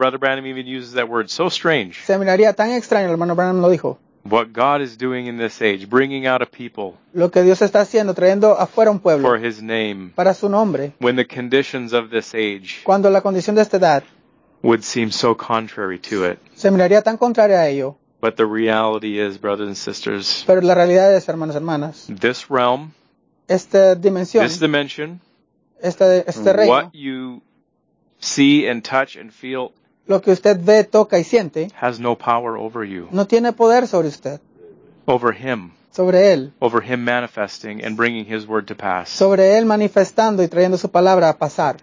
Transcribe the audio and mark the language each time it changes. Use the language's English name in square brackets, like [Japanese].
[English] Brother Branham even uses that word, so strange. [Spanish] Se miraría tan extraño, hermano Branham lo dijo. [English] What God is doing in this age, bringing out a people, [Spanish] lo que Dios está haciendo, trayendo afuera un pueblo, [English] for his name, [Spanish] para su nombre, [English] when the conditions of this age, [Spanish] cuando la condición de esta edad, [English] would seem so contrary to it. [Spanish] Se miraría tan contrario a ello. [English] But the reality is, brothers and sisters, [Spanish] pero la realidad es, hermanos, hermanas, [English] this realm, [Spanish] esta dimensión, [English] this dimension, [Spanish] este reino, [English] what you see and touch and feel, [Spanish] lo que usted ve, toca y siente, [English] has no power over you. [Spanish] No tiene poder sobre usted. [English] Over him. [Spanish] Sobre él. [English] Over him manifesting and bringing his word to pass. [Spanish] Sobre él manifestando y trayendo su palabra a pasar.